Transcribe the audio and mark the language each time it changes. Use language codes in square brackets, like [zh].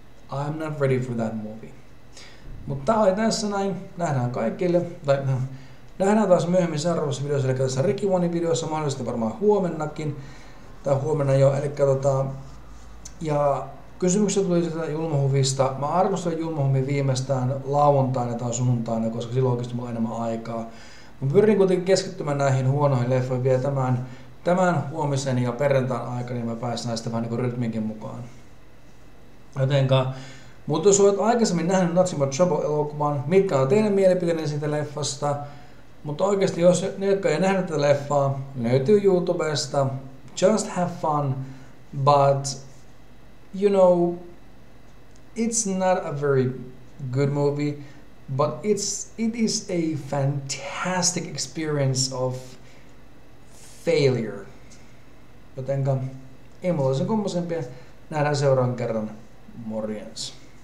[en] I'm not ready for that movie. [fi] Mutta tää oli tässä näin. Nähdään kaikille. Tai nähdään taas myöhemmin seuraavassa videossa, eli tässä Rocky 1 videossa, mahdollisesti varmaan huomennakin. Tai huomenna jo, eli ja kysymyksiä tuli sitä Julmahuvista. Mä arvostelen Julmahuvia viimeistään lauantaina tai sunnuntaina, koska silloin oikeasti mulla on enemmän aikaa. Mä pyrin kuitenkin keskittymään näihin huonoihin leffoihin vielä tämän huomisen ja perjantain aikana, niin mä pääsen näistä vähän niin rytminkin mukaan. Jotenka, mutta jos olet aikaisemmin nähnyt Nothing But Trouble-elokuvan, mitkä on teidän mielipiteeni siitä leffasta? Mutta oikeasti, jos ne, jotka ei nähnyt tätä leffaa, löytyy YouTubesta. [en] Just have fun, but you know, it's not a very good movie, but it is a fantastic experience of failure. [fi] Jotenka, ei mulla olisi kummoisempia. Nähdään seuraavan kerran. Morjens.